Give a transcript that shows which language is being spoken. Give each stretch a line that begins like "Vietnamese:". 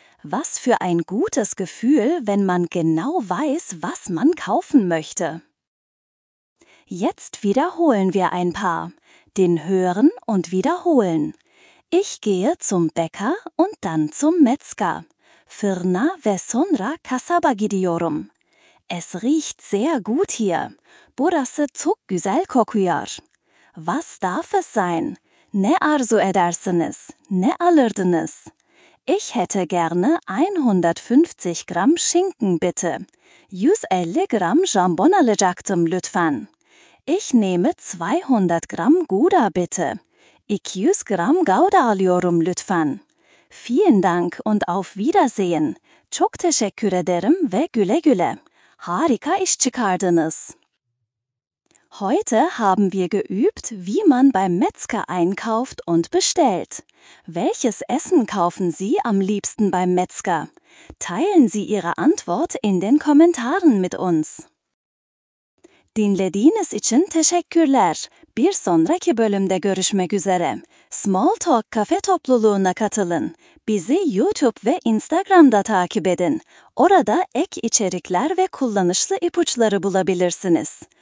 German: Was für ein gutes Gefühl, wenn man genau weiß, was man kaufen möchte. Jetzt wiederholen wir ein paar. Den Hören und Wiederholen. Ich gehe zum Bäcker und dann zum Metzger.
Turkish: Fırına ve sonra kasaba gidiyorum.
German: Es riecht sehr gut hier.
Turkish: Burası çok güzel kokuyor.
German: Was darf es sein?
Turkish: Ne arzu edersiniz? Ne alırdınız?
German: Ich hätte gerne 150 Gramm Schinken, bitte.
Turkish: 150 Gramm Jambon alacaktım, lütfen.
German: Ich nehme 200 Gramm Gouda, bitte.
Turkish: 200 Gramm Gouda alıyorum, lütfen.
German: Vielen Dank und auf Wiedersehen.
Turkish: Çok teşekkür ederim ve güle güle. Harika iş çıkardınız.
German: Heute haben wir geübt, wie man beim Metzger einkauft und bestellt. Welches Essen kaufen Sie am liebsten beim Metzger? Teilen Sie Ihre Antwort in den Kommentaren mit uns.
Turkish: Dinlediğiniz için teşekkürler. Bir sonraki bölümde görüşmek üzere. Small Talk Cafe topluluğuna katılın. Bizi YouTube ve Instagram'da takip edin. Orada ek içerikler ve kullanışlı ipuçları bulabilirsiniz.